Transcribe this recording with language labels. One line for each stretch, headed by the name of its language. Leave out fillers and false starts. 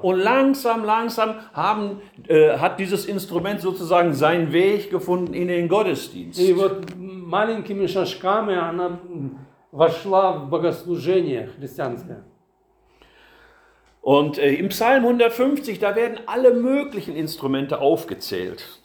German: Und langsam hat dieses Instrument sozusagen seinen Weg gefunden in den Gottesdienst.
Russian: И вот маленькими шажками она вошла в богослужение христианское.
German: Und im Psalm 150, da werden alle möglichen Instrumente aufgezählt.